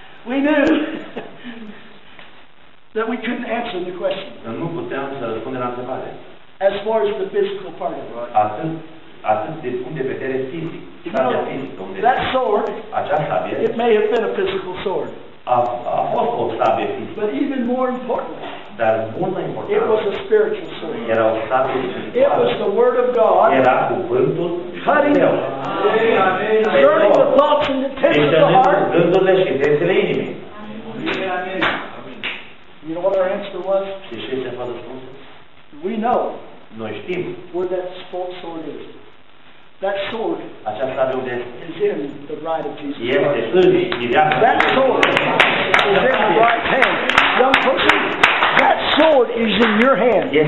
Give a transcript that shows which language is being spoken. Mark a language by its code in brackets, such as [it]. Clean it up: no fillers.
[en] We knew that we couldn't answer the question. [ro] Dar nu puteam să răspundem la întrebare. [en] As far as the physical part of it. [ro] Atât din punct de vedere fizic. [en] That sword, [ro] sabie, [en] it may have been a physical sword, [ro] a fost o sabie fizică, [en] but even more important, [ro] dar mult mai important, [en] it was a spiritual sword. [ro] Era o sabie spirituală. [en] It was the word of God. [ro] Era cuvântul [en] cutting, discerning the thoughts and intents of the heart. [ro] Gândurile și intențiile inimii. [en] You know what our answer was? [ro] Și știți ce a fost răspunsul? [en] We know. [ro] Noi știm. [en] Where that false sword is. That sword is in the right of Jesus Christ. That sword is in the right hand. Young person, that sword is in your hand.